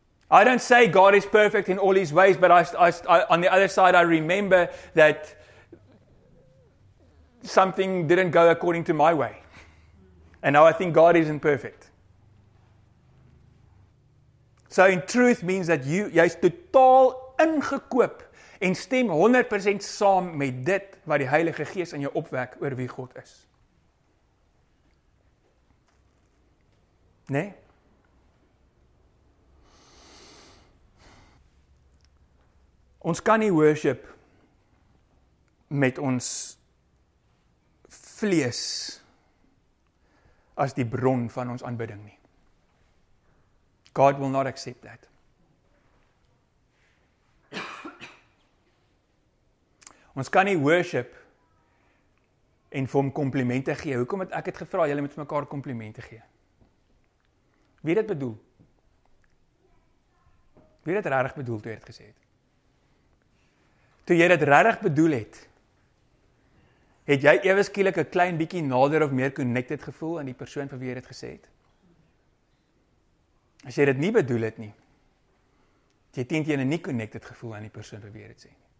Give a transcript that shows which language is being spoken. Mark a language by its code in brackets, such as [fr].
[en] I don't say God is perfect in all His ways, but I, on the other side, I remember that something didn't go according to my way. And now I think God isn't perfect. [af] So in truth means that jy is totaal ingekoop en stem 100% saam met dit wat die Heilige Gees in jou opwek oor wie God is. Nee? Ons kan nie worship met ons vlees as die bron van ons aanbidding nie. [en] God will not accept that. [af] Ons kan nie worship en vir hom komplimente gee. Hoekom het ek het gevra, julle moet mekaar komplimente gee? Wie dit bedoel? Wie dit regtig bedoel toe jy dit gesê het? Toe jy dit regtig bedoel het, het jy ewe skielik 'n klein bietjie nader of meer connected gevoel aan die persoon vir wie jy dit gesê het? As jy dit nie bedoel het nie, het jy teenteen 'n nie connected gevoel aan die persoon vir wie jy dit sê.